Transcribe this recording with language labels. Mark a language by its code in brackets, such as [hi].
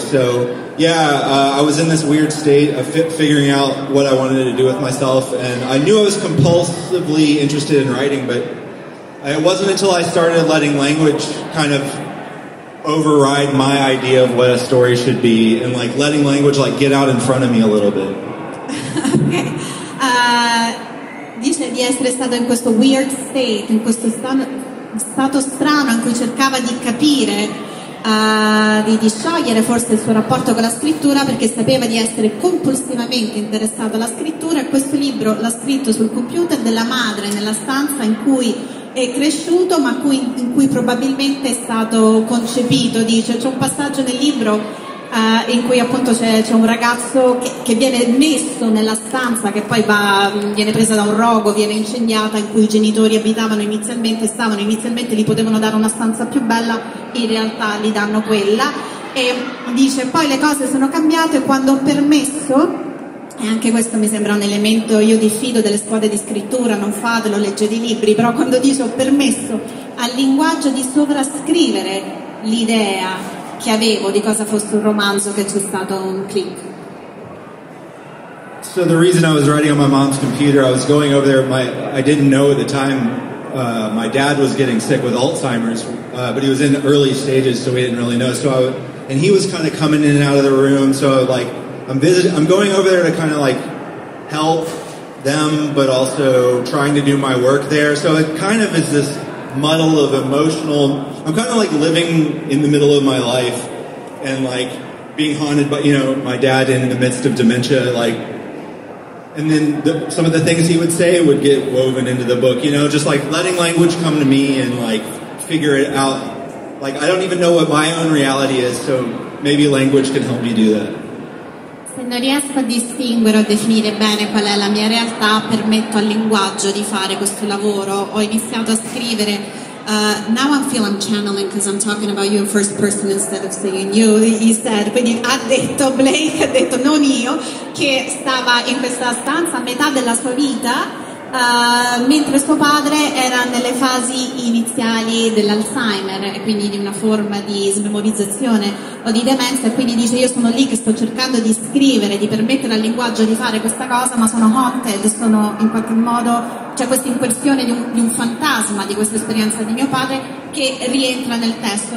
[en] So yeah, I was in this weird state of figuring out what I wanted to do with myself, and I knew I was compulsively interested in writing, but it wasn't until I started letting language kind of override my idea of what a story should be, and like letting language like get out in front of me a little bit. Okay. [it] Dice di essere stato in questo weird state, in questo stato strano in cui cercava di capire, di sciogliere forse il suo rapporto con la scrittura, perché sapeva di essere compulsivamente interessato alla scrittura, e questo libro l'ha scritto sul computer della madre nella stanza in cui è cresciuto, ma in cui probabilmente è stato concepito. Dice, c'è un passaggio nel libro in cui appunto c'è un ragazzo che viene messo nella stanza, che poi viene presa da un rogo, viene incendiata, in cui i genitori abitavano inizialmente, gli potevano dare una stanza più bella, in realtà gli danno quella, e dice poi le cose sono cambiate quando ho permesso. E anche questo mi sembra un elemento, io diffido delle squadre di scrittura, non fatelo, leggete i libri, però quando dice ho permesso al linguaggio di sovrascrivere l'idea che avevo di cosa fosse un romanzo, che c'è stato un click. [en] So the reason I was writing on my mom's computer, I was going over there, I didn't know at the time, my dad was getting sick with Alzheimer's, but he was in early stages, so we didn't really know. So and he was kind of coming in and out of the room, so like I'm going over there to kind of like help them, but also trying to do my work there. So it kind of is this muddle of emotional. I'm kind of like living in the middle of my life and like being haunted by, you know, my dad in the midst of dementia. Like, and then some of the things he would say would get woven into the book, you know, just like letting language come to me and like figure it out. Like, I don't even know what my own reality is, so maybe language can help me do that. [it] Se non riesco a distinguere o a definire bene qual è la mia realtà, permetto al linguaggio di fare questo lavoro. Ho iniziato a scrivere. [en] Now I feel I'm channeling because I'm talking about you in first person instead of saying you, he said. [it] Quindi ha detto Blake, ha detto non io, che stava in questa stanza a metà della sua vita, mentre suo padre era nelle fasi iniziali dell'Alzheimer, e quindi di una forma di smemorizzazione o di demenza, e quindi dice io sono lì che sto cercando di scrivere, di permettere al linguaggio di fare questa cosa, ma sono haunted, sono in qualche modo, c'è questa impressione di un fantasma di questa esperienza di mio padre che rientra nel testo.